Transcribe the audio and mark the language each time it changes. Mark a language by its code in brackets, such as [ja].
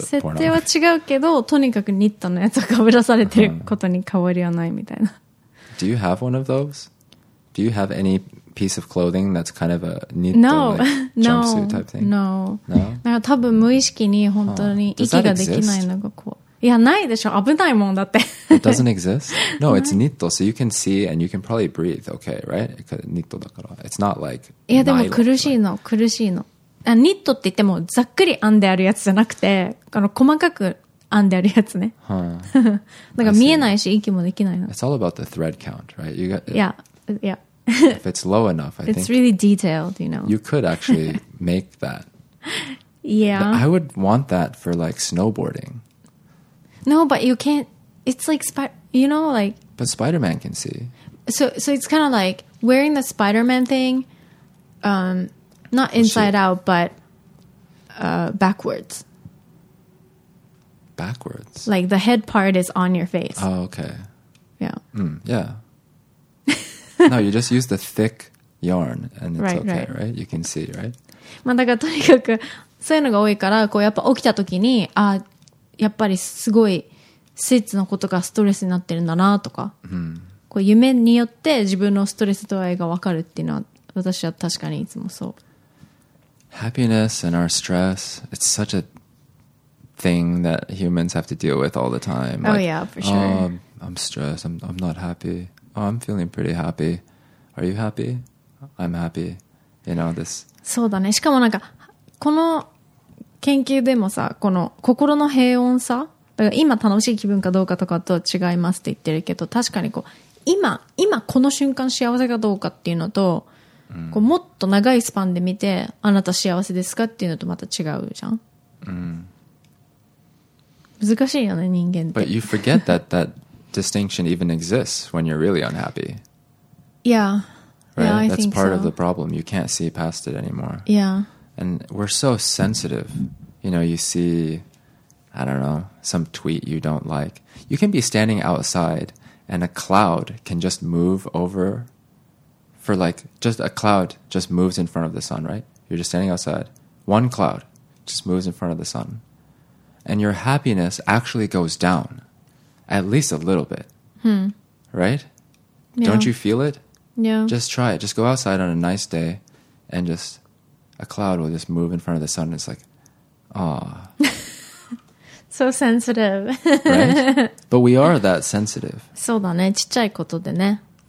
[ja] 設定は違うけど、とにかくニットのやつが被らされてることに変わりはないみたいな。 [en] Do you have one of those? Do you have any piece of clothing that's kind of a knit no, like, no, jumpsuit type thing? No, no, no. [ja] なんか多分無意識に本当に息ができないのがこう。いやないでしょ危ないもんだって [en] It doesn't exist? No, it's knit, so you can see and you can probably breathe, okay, right? Knit [ja] だから [en] It's not like [ja] いやでも苦しいの苦しいのあニットって言ってもざっくり編んであるやつじゃなくてあの細かく編んであるやつね、 huh. だから見えないし息もできないの [en] It's all about the thread count, right? You got, yeah, yeah If it's low enough, I it's think It's really detailed, you know You could actually make that Yeah I would want that for like snowboarding No, but you can't. It's like you know, like. But Spider-Man can see. So it's kind of like wearing the Spider-Man thing, not inside out, but backwards. Backwards. Like the head part is on your face. Oh, okay. Yeah. Mm, yeah. No, you just use the thick yarn, and it's right, okay, right. right? You can see, right? [ja] まあだからとにかくそういうのが多いから、こうやっぱ起きた時にあ。やっぱりすごいスイーツのことがストレスになってるんだなとか、うん、こう夢によって自分のストレス度合いが分かるっていうのは私は確かにいつもそう [en] Happiness and our stress It's such a thing that humans have to deal with all the time like, Oh yeah, for sure Oh, I'm stressed, I'm not happy Oh, I'm feeling pretty happy Are you happy? I'm happy You know, this [ja] そうだね、しかもなんかこの研究でもさ、この心の平穏さ、だから今楽しい気分かどうかとかとは違いますって言ってるけど、確かにこう、今この瞬間幸せかどうかっていうのと、うん、こうもっと長いスパンで見て、あなた幸せですかっていうのとまた違うじゃん。うん、難しいよね、人間って。 [en] But you forget that that distinction even exists when you're really unhappy. Yeah. Right? Yeah, I That's think part so. Of the problem. You can't see past it anymore. Yeah. And we're so sensitive. You know, you see, I don't know, some tweet you don't like. You can be standing outside and a cloud can just move over for like, just a cloud just moves in front of the sun, right? You're just standing outside. One cloud just moves in front of the sun. And your happiness actually goes down at least a little bit. Hmm. Right? Yeah. Don't you feel it? Yeah. Just try it. Just go outside on a nice day and just... A cloud will just move in front of the sun. And it's like, ah, so sensitive. right? But we are that sensitive. [ja] そうだね。ちっちゃいことでね。